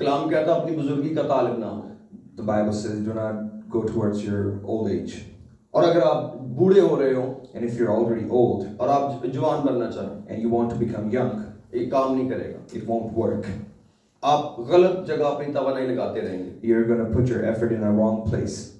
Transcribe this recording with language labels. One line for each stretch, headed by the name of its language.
Urdu: कलाम कहता है अपनी बुजुर्गी का तालिब ना हो।
English: The Bible says, do not go towards your old age.
Urdu: और अगर आप बूढ़े हो रहे हो,
English: and if you're already old,
Urdu: और आप जवान बनना चाहें,
English: and you want to become young,
Urdu: ये काम नहीं करेगा।
English: It won't work.
Urdu: आप गलत जगह अपनी तवानाई लगाते रहेंगे।
English: You're gonna put your effort in a wrong place.